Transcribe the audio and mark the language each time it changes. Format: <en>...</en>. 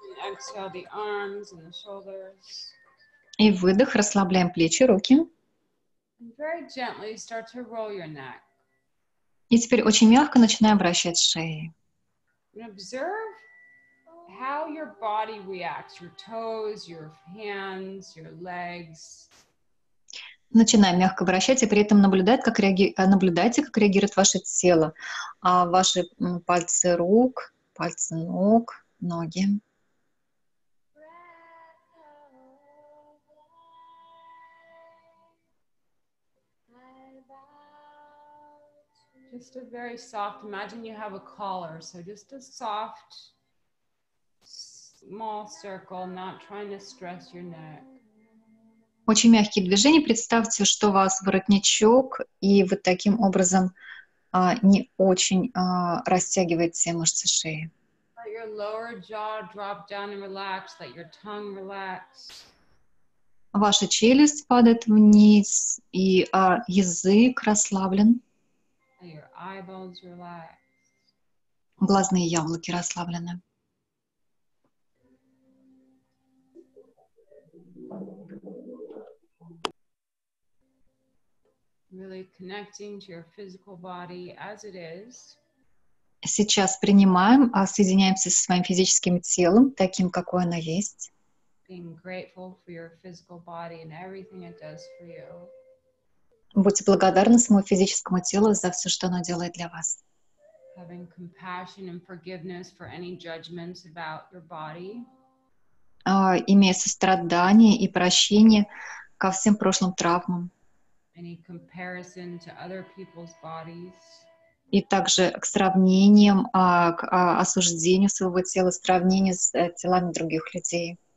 <en>Exhale the arms and the shoulders.</en> <ru>И выдох, расслабляем плечи, руки.</ru> <en>Very gently start to roll your neck.</en> <ru>И теперь очень мягко начинаем вращать шеи.</ru> <en>And observe how your body reacts, your toes, your hands, your legs.</en> <ru>Начинаем мягко вращать, и при этом наблюдайте, как реагирует ваше тело, ваши пальцы рук, пальцы ног, ноги.</ru> <en>Just a very soft, imagine you have a collar, so just a soft, small circle, not trying to stress your neck.</en> <ru>Очень мягкие движения. Представьте, что у вас воротничок, и вы таким образом не очень растягиваете мышцы шеи.</ru> <en>Let your lower jaw drop down and relax. Let your tongue relax.</en> <ru>Ваша челюсть падает вниз, и язык расслаблен.</ru> <en>Let your eyeballs relax.</en> <ru>Глазные яблоки расслаблены.</ru> <en>Really connecting to your physical body as it is.</en> <ru>Сейчас принимаем, соединяемся со своим физическим телом, таким, какое оно есть.</ru> <en>Being grateful for your physical body and everything it does for you.</en> <ru>Будьте благодарны своему физическому телу за все, что оно делает для вас.</ru> <en>Having compassion and forgiveness for any judgments about your body.</en> <ru>Имея сострадание и прощение ко всем прошлым травмам.</ru> <en>Any comparison to other people's bodies.</en> <ru>И также к сравнениям, к осуждению своего тела, сравнению с телами других людей.</ru>